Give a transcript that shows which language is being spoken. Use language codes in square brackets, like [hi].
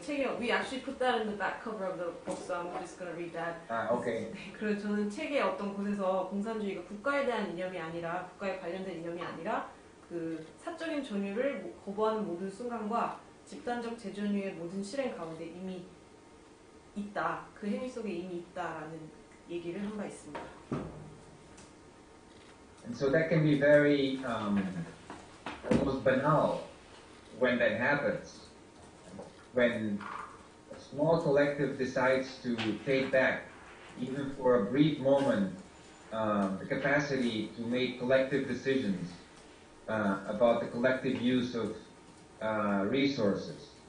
[ko] 책에 [en] we actually put that in the back cover of the book, so I'm just gonna read that. 아, okay. [ko] 네, 그리고 저는 책에 어떤 곳에서 공산주의가 국가에 대한 이념이 아니라 국가에 관련된 이념이 아니라 그 사적인 존유를 거부하는 모든 순간과 집단적 재존유의 모든 실행 가운데 이미 있다. 그 행위 속에 이미 있다라는 얘기를 한 바 있습니다. [en] And so that can be very almost banal when that happens. When a small collective decides to take back, even for a brief moment, the capacity to make collective decisions about the collective use of resources.